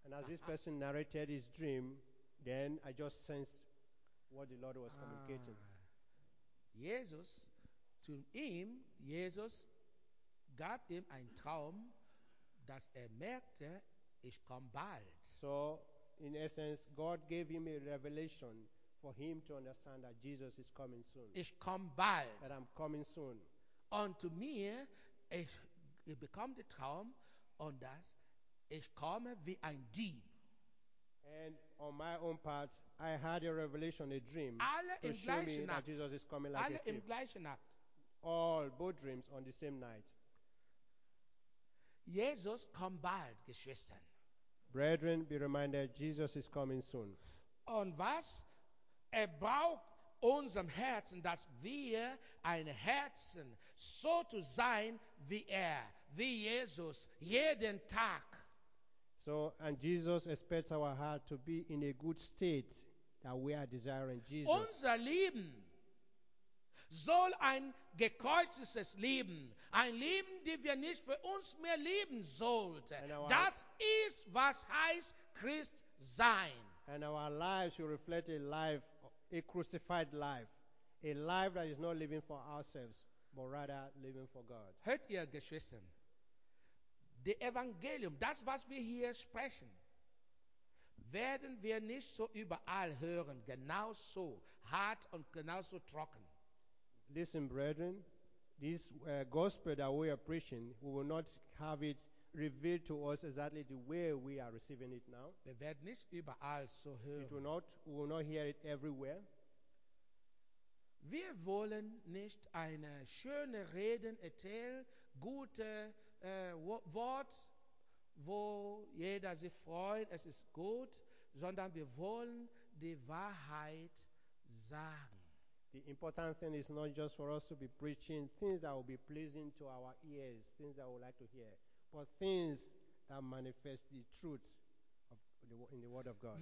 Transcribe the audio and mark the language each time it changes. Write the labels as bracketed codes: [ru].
[en] This person narrated his dream, then I just sensed what the Lord was communicating. [de] Jesus, [en] to him, [de] Jesus gab ihm ein Traum, dass merkte, ich komme bald. [en] So, in essence, God gave him a revelation for him to understand that Jesus is coming soon. [de] Ich komme bald. [en] That I'm coming soon. [de] Und [en] to me, [de] ich bekomme den Traum, und dass ich komme wie ein Dieb. [en] And on my own part, I had a revelation, a dream, [de] alle [en] to show me that Jesus is coming like [de] alle [en] a thief. [de] Gleichnacht. [en] All, both dreams on the same night. [de] Jesus kommt bald, Geschwistern. [en] Brethren, be reminded, Jesus is coming soon. [de] Und was braucht unserem Herzen, dass wir ein Herzen so zu sein wie wie Jesus, jeden Tag. [en] So, and Jesus expects our heart to be in a good state that we are desiring Jesus. [de] Unser Leben soll ein gekreuztes Leben, ein Leben, das wir nicht für uns mehr leben sollten. Das ist, was heißt Christ sein. [en] And our lives should reflect a life, a crucified life, a life that is not living for ourselves, but rather living for God. [de] Hört ihr, Geschwister? Das Evangelium, das, was wir hier sprechen, werden wir nicht so überall hören, genauso hart und genauso trocken. [en] Listen, brethren, this gospel that we are preaching, we will not have it revealed to us exactly the way we are receiving it now. [de] Wir werden nicht überall so hören. [en] We will not hear it everywhere. [de] Wir wollen nicht eine schöne Rede erzählen, gute Wort, wo jeder sich freut, es ist gut, sondern wir wollen die Wahrheit sagen. [en] The important thing is not just for us to be preaching things that will be pleasing to our ears, things that we would like to hear, but things that manifest the truth of in the Word of God.